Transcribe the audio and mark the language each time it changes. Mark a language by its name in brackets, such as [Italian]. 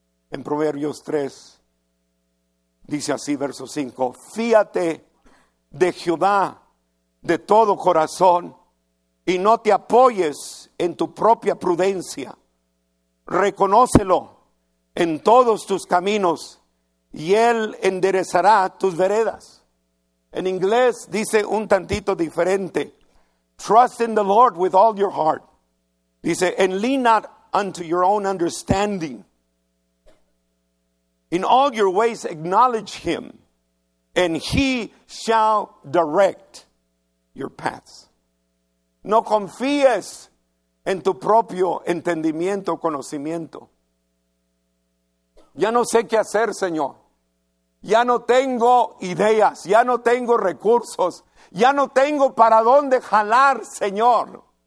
[Spanish] En Proverbios 3 dice así, verso 5, fíate de Jehová de todo corazón y no te apoyes en tu propia prudencia. Reconócelo en todos tus caminos y Él enderezará tus veredas. En inglés dice un tantito diferente. [English] Trust in the Lord with all your heart. [Spanish] Dice, [English] and lean not unto your own understanding. In all your ways acknowledge Him, and He shall direct your paths. [Spanish] No confíes en tu propio entendimiento, conocimiento. Ya no sé qué hacer, Señor. Ya no tengo ideas, ya no tengo recursos, ya no tengo para dónde jalar, Señor.